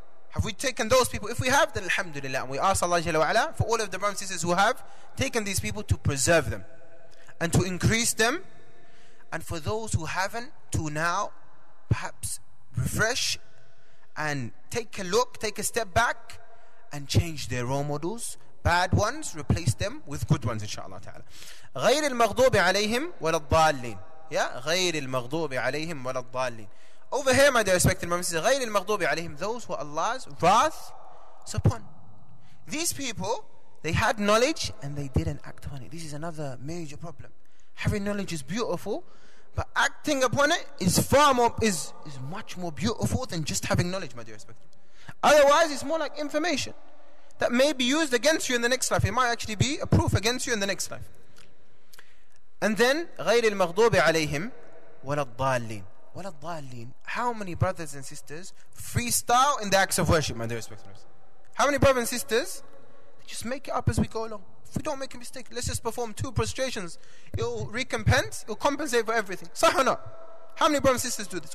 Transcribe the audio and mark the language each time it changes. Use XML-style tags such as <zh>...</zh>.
<en>Have we taken those people? If we have, then alhamdulillah. And we ask Allah Jalla wa'ala for all of the brothers and sisters who have taken these people to preserve them and to increase them. And for those who haven't, to now perhaps refresh and take a look, take a step back and change their role models. Bad ones, replace them with good ones, inshaAllah ta'ala.</en> <ar>غير المغضوب عليهم ولا الضالين. Yeah, غير المغضوب عليهم ولا الضالين.</ar> <en>Over here, my dear respected Muslims,</en> <ar>غير المغضوب عليهم,</ar> <en>those who Allah's wrath is upon. These people, they had knowledge and they didn't act upon it. This is another major problem. Having knowledge is beautiful, but acting upon it is far more, is much more beautiful than just having knowledge, my dear respected. Otherwise, it's more like information that may be used against you in the next life. It might actually be a proof against you in the next life. And then,</en> <ar>غير المغضوب عليهم ولا الضالين. ولا الضالين.</ar> <en>How many brothers and sisters freestyle in the acts of worship, my dear respected? How many brothers and sisters just make it up as we go along? If we don't make a mistake, let's just perform two prostrations. It'll recompense, it'll compensate for everything. Sah or not? How many brothers and sisters do this?</en>